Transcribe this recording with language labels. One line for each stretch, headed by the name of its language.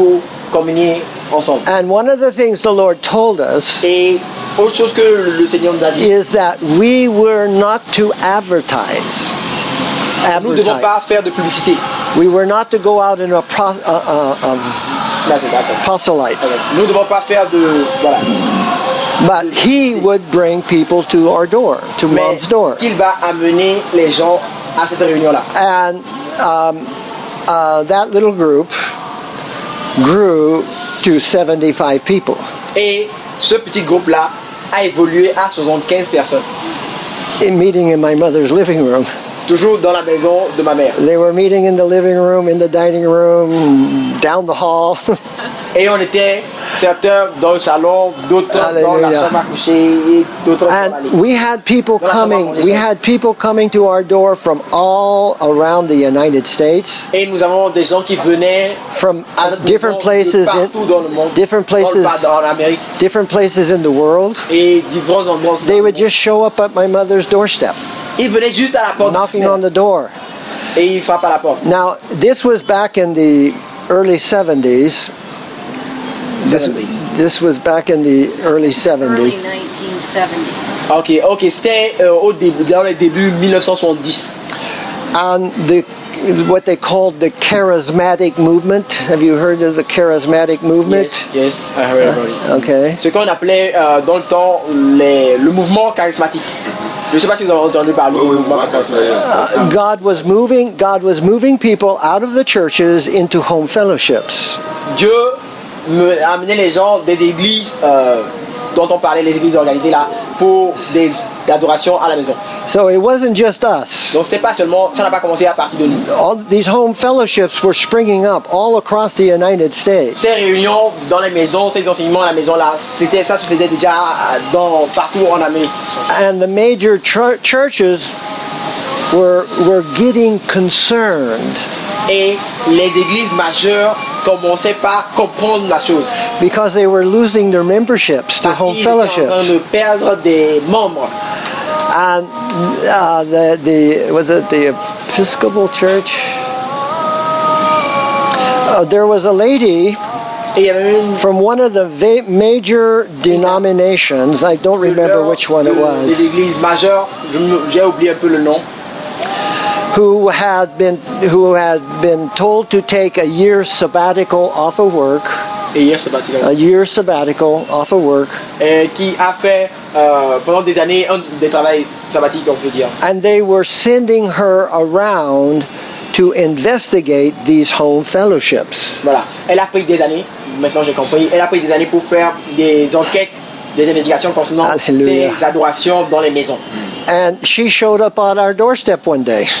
English: And one of the things the Lord told us is that we were not to advertise.
French: Nous ne devons pas faire de publicité.
English: We were not to go out in a proselyte.
French: Nous ne devons pas faire de voilà.
English: But he would bring people to our door, to
French: mais
English: mom's door.
French: Il va amener les gens à cette réunion-là.
English: And that little group grew to 75 people.
French: Et ce petit groupe-là a évolué à 75 personnes.
English: In meeting in my mother's living room.
French: Toujours dans la maison de ma mère.
English: They were meeting in the living room, in the dining room, down the hall.
French: Et on était certains dans le salon, d'autres Alléluia. Dans la chambre à coucher, et d'autres
English: and
French: dans la
English: we had people coming. We had people coming to our door from all around the United States.
French: Et nous avons des gens qui venaient
English: from different places
French: de partout dans le monde,
English: different places,
French: dans l'Amérique,
English: different places in the world.
French: Et différents endroits.
English: They would just show up at my mother's doorstep.
French: Il venait juste à la porte.
English: Knocking on the door.
French: Et il frappe à la porte.
English: Now, this was back in the early 70s. This was back in the early 70s. Early 1970s.
French: Okay, c'était au début, dans les débuts 1970.
English: And the what they called the charismatic movement. Have you heard of the charismatic movement? Yes, I heard about it. Okay.
French: Ce qu'on appelait dans le temps le mouvement charismatique. Je sais pas si vous avez entendu parler du mouvement charismatique.
English: God was moving people out of the churches into home fellowships.
French: Dieu amenait les gens des églises dont on parlait, les églises organisées là, pour des adorations à la maison.
English: So it wasn't just us.
French: Donc c'était pas seulement, ça n'a pas commencé à partir de nous.
English: All these home fellowships were springing up all across the United States.
French: Ces réunions dans les maisons, ces enseignements à la maison là, c'était ça se faisait déjà partout en Amérique.
English: And the major churches were getting concerned.
French: Et les églises majeures commençaient par comprendre la chose.
English: Because they were losing their memberships to home fellowships.
French: Parce qu'ils étaient en train de perdre des membres.
English: And the was it the Episcopal Church? There was a lady from one of the major denominations. I don't remember which one it was.
French: Des églises majeures. J'ai oublié un peu le nom.
English: Who had been told to take a year sabbatical off of work. A year sabbatical off of work.
French: Qui a fait pendant des années de travail sabbatique, on peut dire.
English: And they were sending her around to investigate these home fellowships.
French: Voilà. Elle a pris des années. Maintenant, j'ai compris. Elle a pris des années pour faire des enquêtes, des investigations concernant les adorations dans les maisons.
English: And she showed up on our doorstep one day.